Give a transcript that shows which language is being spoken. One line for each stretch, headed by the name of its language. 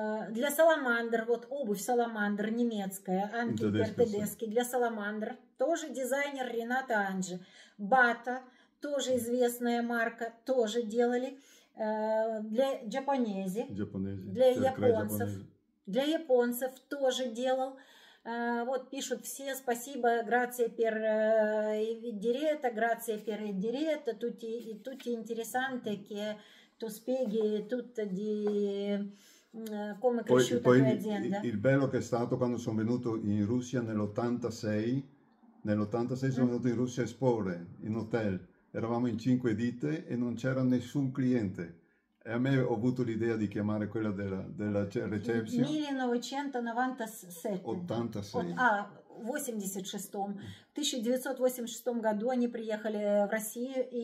Russian: Для Саламандр, вот обувь Саламандр немецкая,
Italian: Анки Тедески,
Russian: для Саламандр, тоже дизайнер Рената Анджи, Бата, тоже известная марка, тоже делали для Japonesi, для японцев. Japonesi. Для японцев тоже делал. Вот пишут все, спасибо,
Italian: grazie per diretta, grazie per diretta, tutti interessanti, che tu spieghi tutto di come cresciuta la tua azienda. Il bello che è stato quando sono venuto in Russia nell'86 sono venuto in Russia a esporre in hotel. Eravamo in 5 ditte e non c'era nessun cliente. E a me ho avuto l'idea di chiamare quella della reception. 1997. 86.
Russian: В 1986 году они приехали в Россию